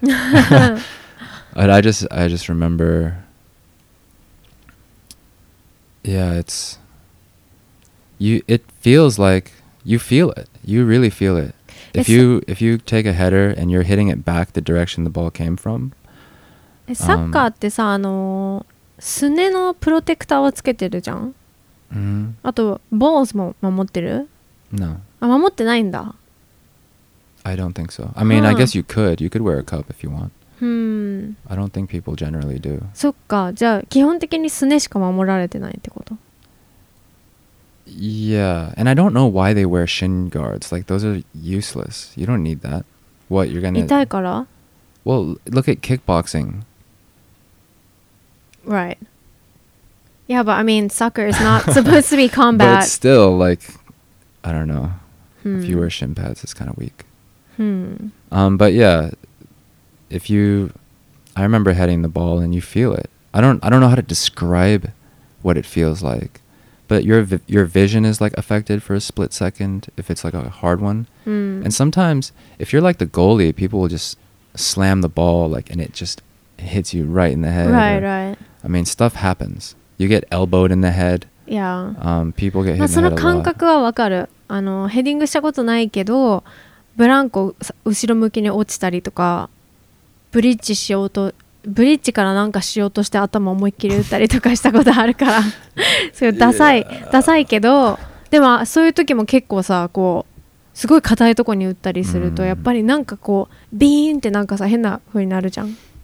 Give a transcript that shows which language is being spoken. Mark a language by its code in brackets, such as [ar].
[en] But I just remember. Yeah, it feels like. You feel it. You really feel it. If you take a header and you're hitting it back the direction the ball came from. [ja] サッカーってさ、すねのプロテクターをつけてるじゃん。あと、ボールも守ってる? [en] No. [ja] あ、守ってないんだ。 [en] I don't think so. I mean, I guess you could. You could wear a cup if you want. I don't think people generally do. [ja] そっか。じゃあ、基本的にすねしか守られてないってこと? [en] Yeah, and I don't know why they wear shin guards. Like, those are useless. You don't need that. What, you're gonna... [ja] 痛いから? [en] Well, look at kickboxing. Right. Yeah, but I mean, soccer is not supposed to be combat. But still, like, I don't know. If you wear shin pads, it's kind of weak. But yeah, if you... I remember heading the ball and you feel it. I don't know how to describe what it feels like. But your vision is like affected for a split second if it's like a hard one. And sometimes if you're like the goalie, people will just slam the ball like and it just hits you right in the head. Right, right. I mean, stuff happens. You get elbowed in the head. Yeah. People get hit [ja] その感覚はわかる。あのヘディングしたことないけど、ブランコ後ろ向きに落ちたりとか、ブリッジしようと、ブリッジからなんかしようとして頭思いっきり打ったりとかしたことあるから、それダサい、yeah. ダサいけど、でもそういう時も結構さ、こうすごい硬いとこに打ったりすると、やっぱりなんかこうビーンってなんかさ変な風になるじゃん。